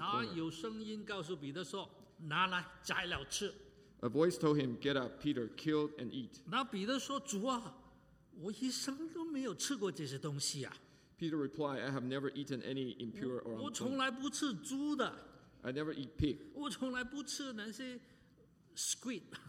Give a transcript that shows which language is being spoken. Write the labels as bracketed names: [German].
[Chinese] 然后有声音告诉彼得说：“拿来宰了吃。” [English] A voice told him, "Get up, Peter, kill and eat." [Chinese] 那彼得说：“主啊，我一生都没有吃过这些东西啊。” [English] Peter replied, "I have never eaten any impure or unclean." [Chinese] 我从来不吃猪的。 [English] I never eat pig. [Chinese] 我从来不吃那些 squid.